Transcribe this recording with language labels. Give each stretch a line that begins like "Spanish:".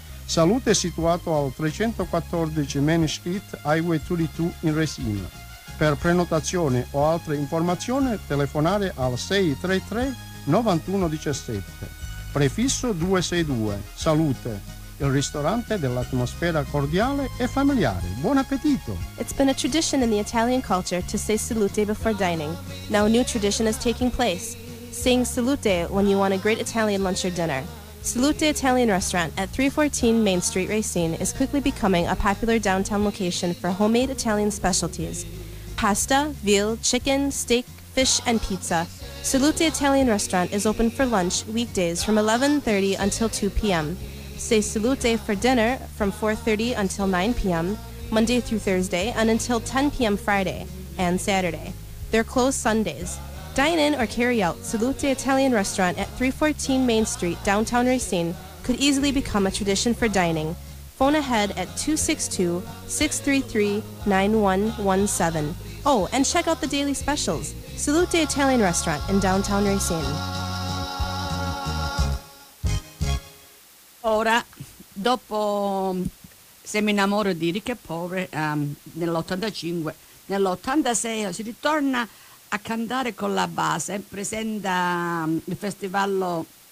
Italian: Salute è situato al 314 Main Street Highway 32 in Resina. Per prenotazione o altre informazioni telefonare al 633-9117. Prefisso 262. Salute. Il ristorante dell'atmosfera cordiale e familiare. Buon appetito!
English: It's been a tradition in the Italian culture to say salute before dining. Now a new tradition is taking place. Saying salute when you want a great Italian lunch or dinner. Salute Italian Restaurant at 314 Main Street Racine is quickly becoming a popular downtown location for homemade Italian specialties. Pasta, veal, chicken, steak, fish, and pizza. Salute Italian Restaurant is open for lunch weekdays from 11:30 until 2 p.m. Say salute for dinner from 4:30 until 9 p.m. Monday through Thursday and until 10 p.m. Friday and Saturday. They're closed Sundays. Dine in or carry out Salute Italian Restaurant at 314 Main Street, downtown Racine, could easily become a tradition for dining. Phone ahead at 262-633-9117. Oh, and check out the daily specials. Salute Italian Restaurant in downtown Racine.
Italian: Ora, dopo Se mi innamoro di ricche e povere, nell'85, nell'86 si ritorna a cantare con la base, presenta il festival